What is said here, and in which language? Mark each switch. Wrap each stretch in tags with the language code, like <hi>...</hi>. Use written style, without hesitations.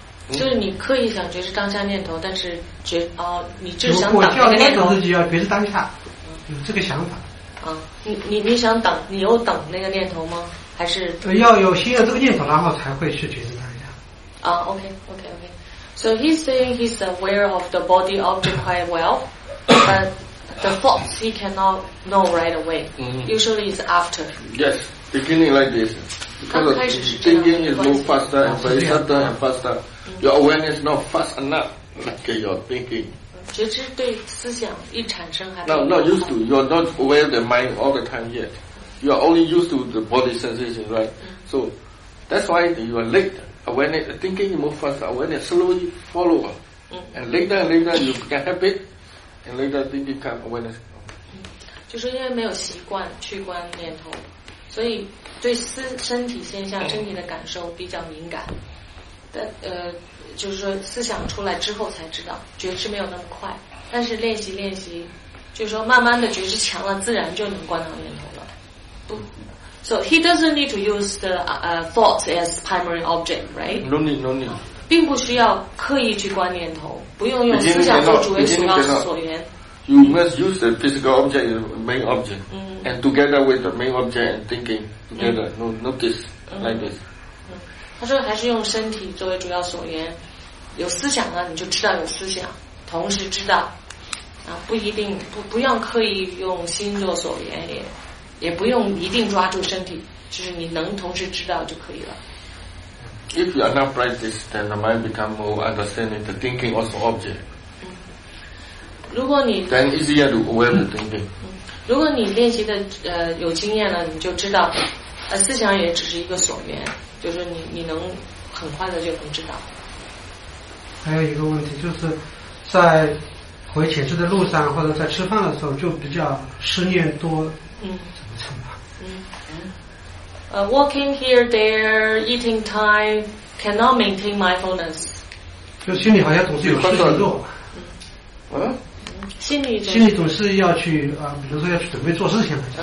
<zh>就是你刻意想觉知当下念头，但是你就是想挡那个念头。如果要自己要觉知当下，有这个想法。啊，你想挡，你有挡那个念头吗？还是要有心有这个念头，然后才会去觉知当下。啊 ，OK。</zh> <en>So he's saying he's aware of the body object quite well, but the thoughts he cannot know right away. Usually it's after. Yes, beginning like this. Because thinking is move faster and very sudden and faster. Your awareness not fast enough like your thinking.</en> <zh>觉知对思想一产生还没有。</zh> <en>No, not used to. You're not aware of the mind all the time yet. You are only used to the body sensation, right? So that's why you are late. Awareness, thinking move fast. Awareness slowly follow. And later and later you can have it. And later thinking come awareness.</en> <zh>就是因为没有习惯去观念头。所以对身体现象身体的感受比较敏感，但就是说思想出来之后才知道，觉知没有那么快，但是练习就是说慢慢的觉知强了，自然就能观到念头了。</zh> <en>So he doesn't need to use the thoughts as primary object, right? No need.</en> <zh>并不需要刻意去观念头，不用用思想做主要所缘。</zh> <en>You must use the physical object as main object. and together with the main object and thinking together, no, notice like this.</en> <zh>他说还是用身体作为主要所缘，有思想呢，你就知道有思想，同时知道啊，不一定不用刻意用心做所缘，也不用一定抓住身体，就是你能同时知道就可以了。</zh> <en>If you are not practice, then the mind become more understanding. The thinking also object.</en> <zh>如果你</zh> <en>then easier to aware the thinking.</en> <zh>如果你练习的有经验了，你就知道，思想也只是一个所缘，就是你能很快的就能知道。还有一个问题就是，在回寝室的路上或者在吃饭的时候，就比较思念多。怎么称呼？</zh> <en>Walking here, there, eating time, cannot maintain mindfulness.</en> <zh>就心里好像总是有事情做。心里总是要去啊，比如说要去准备做事情。</zh>